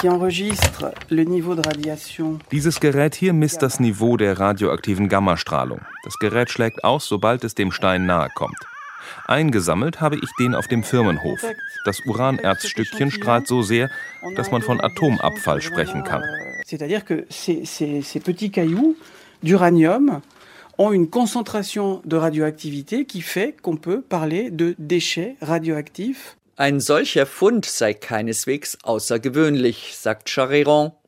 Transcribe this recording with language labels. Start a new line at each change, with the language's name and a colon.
German: Dieses Gerät hier misst das Niveau der radioaktiven Gammastrahlung. Das Gerät schlägt aus, sobald es dem Stein nahe kommt. Eingesammelt habe ich den auf dem Firmenhof. Das Uranerzstückchen strahlt so sehr, dass man von Atomabfall sprechen kann.
French: C'est-à-dire que ces petits cailloux d'uranium ont une concentration de radioactivité qui fait qu'on peut parler de déchets radioactifs.
German: Ein solcher Fund sei keineswegs außergewöhnlich, sagt Chararon.